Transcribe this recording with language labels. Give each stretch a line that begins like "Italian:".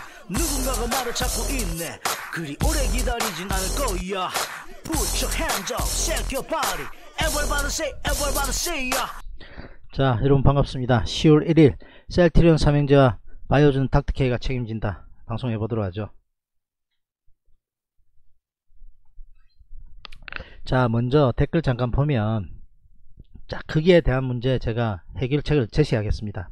Korean: 누군가가 말을 찾고 있네. 그리 오래 기다리진 않을 거야.
English: Put your hands up, shake your body. Everybody say, everybody say, yeah.
Korean: 자, 여러분 반갑습니다. 10월 1일 셀트리온 삼형제와 바이오준 닥터케이가 책임진다 방송해 보도록 하죠. 자, 먼저 댓글 잠깐 보면, 자, 크기에 대한 문제 제가 해결책을 제시하겠습니다.